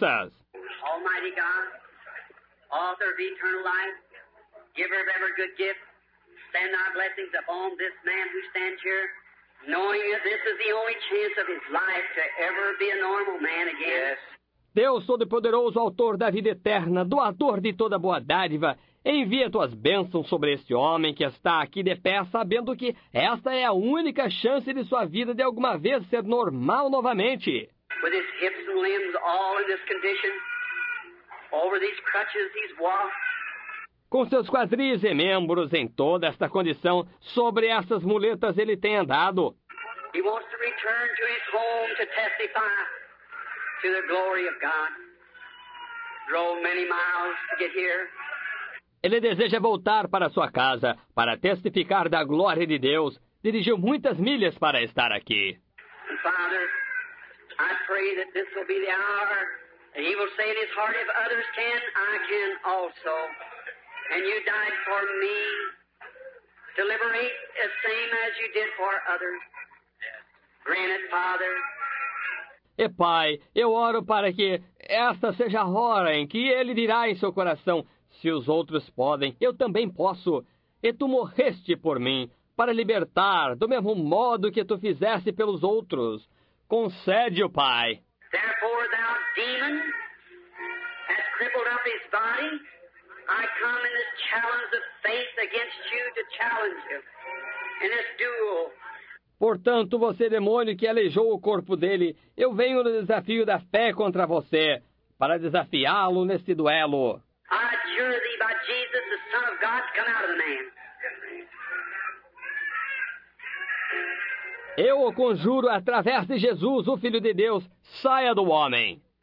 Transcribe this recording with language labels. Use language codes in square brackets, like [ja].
[en] Almighty God, author of eternal life, giver of every good gift, send our blessings upon this man who stands here, knowing that this is the only chance of his life to ever be a normal man again. Yes. [pt] Deus Todo-Poderoso, autor da vida eterna, doador de toda boa dádiva, envia tuas bênçãos sobre este homem que está aqui de pé, sabendo que esta é a única chance de sua vida de alguma vez ser normal novamente. [en] With his hips and limbs all in this condition, over these crutches he's walked. [pt] Com seus quadris e membros em toda esta condição, sobre essas muletas ele tem andado. [en] He wants to return to his home to testify. to the glory of God. Drove many miles to get here. [pt] Ele deseja voltar para sua casa para testificar da glória de Deus. Dirigiu muitas milhas para estar aqui. [en] Father, I pray that this will be the hour that he will say in his heart, if others can, I can also. And you died for me to liberate the same as you did for others. Granted, Father. [pt] E Pai, eu oro para que esta seja a hora em que ele dirá em seu coração, se os outros podem, eu também posso. E tu morreste por mim, para libertar, do mesmo modo que tu fizeste pelos outros. Concede-o, Pai. [en] Therefore, thou demon, has crippled up his body, I come in this challenge of faith against you to challenge him in this duel. [pt] Portanto, você demônio que aleijou o corpo dele, eu venho no desafio da fé contra você, para desafiá-lo neste duelo. [en] I adjure thee by Jesus, the Son of God, come out of the man. [pt] Eu o conjuro através de Jesus, o Filho de Deus, saia do homem.